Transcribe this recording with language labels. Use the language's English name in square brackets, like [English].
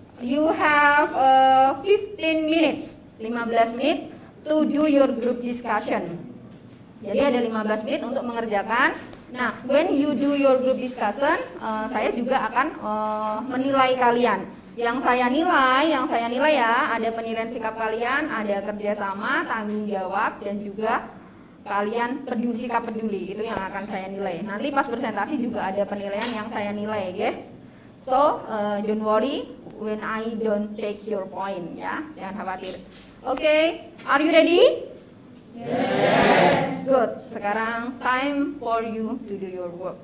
[English] You have 15 minutes, [Indonesian] 15 menit [English] to do your group discussion. [Indonesian] Jadi ada 15 menit untuk mengerjakan. Nah, [English] when you do your group discussion, [Indonesian] saya juga akan menilai kalian. Yang saya nilai ya, ada penilaian sikap kalian, ada kerjasama, tanggung jawab, dan juga kalian peduli, sikap peduli. Itu yang akan saya nilai. Nanti pas presentasi juga ada penilaian yang saya nilai, okay? [English] So, don't worry when I don't take your point, ya. [Indonesian] Jangan khawatir. [English] Okay, are you ready? Yes. Good. [Indonesian] Sekarang [English] time for you to do your work.